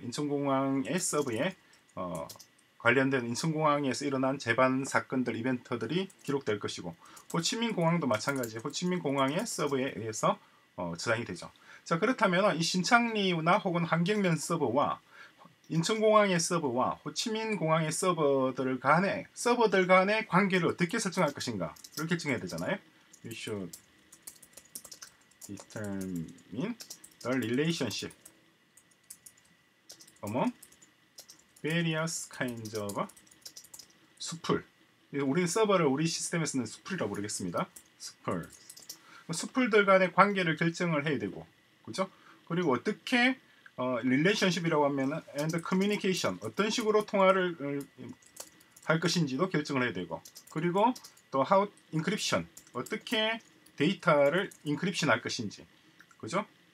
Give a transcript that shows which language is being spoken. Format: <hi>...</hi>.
<ko>인천공항의 서버에 관련된 인천공항에서 일어난 재반 사건들, 이벤트들이 기록될 것이고, 호치민 공항도 마찬가지 호치민 공항의 서버에 의해서 저장이 되죠. 자, 그렇다면 이 신창리나 혹은 한경면 서버와 인천공항의 서버와 호치민 공항의 서버들 간의 관계를 어떻게 설정할 것인가, 이렇게 결정해야 되잖아요.</ko> <en>We should determine the relationship among various kinds of 수풀.</en> <ko>우리는 서버를 우리 시스템에서는 수풀이라고 부르겠습니다. 수풀. 수풀들 간의 관계를 결정을 해야 되고, 그죠? 그리고 어떻게 relationship이라고 하면은</ko> <en>and communication,</en> <ko>어떤 식으로 통화를 할 것인지도 결정을 해야 되고, 그리고 또</ko> <en>how encryption,</en> <ko>어떻게 데이터를 encryption 할 것인지, 그죠?</ko>